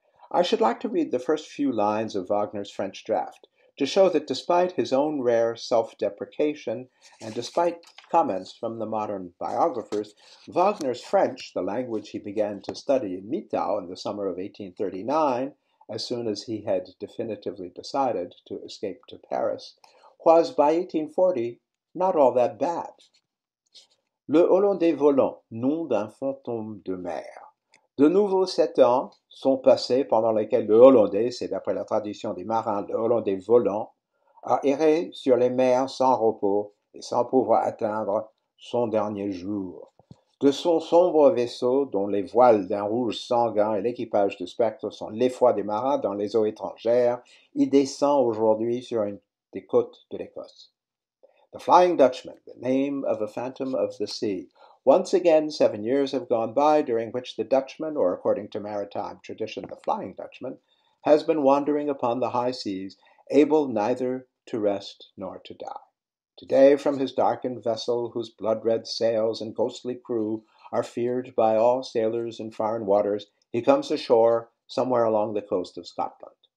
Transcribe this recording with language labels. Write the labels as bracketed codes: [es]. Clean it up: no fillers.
[en] I should like to read the first few lines of Wagner's French draft to show that despite his own rare self-deprecation and despite comments from the modern biographers, Wagner's French, the language he began to study in Mitau in the summer of 1839, as soon as he had definitively decided to escape to Paris, was by 1840 not all that bad. [fr] Le Hollandais volant, nom d'un fantôme de mer. De nouveau, 7 ans sont passés pendant lesquels le Hollandais, c'est d'après la tradition des marins, le Hollandais volant, a erré sur les mers sans repos et sans pouvoir atteindre son dernier jour. De son sombre vaisseau, dont les voiles d'un rouge sanguin et l'équipage du spectre sont l'effroi des marins dans les eaux étrangères, il descend aujourd'hui sur une des côtes de l'Écosse. [en] The Flying Dutchman, the name of a phantom of the sea. Once again, 7 years have gone by during which the Dutchman, or according to maritime tradition, the Flying Dutchman, has been wandering upon the high seas, able neither to rest nor to die. Today, from his darkened vessel, whose blood-red sails and ghostly crew are feared by all sailors in foreign waters, he comes ashore somewhere along the coast of Scotland.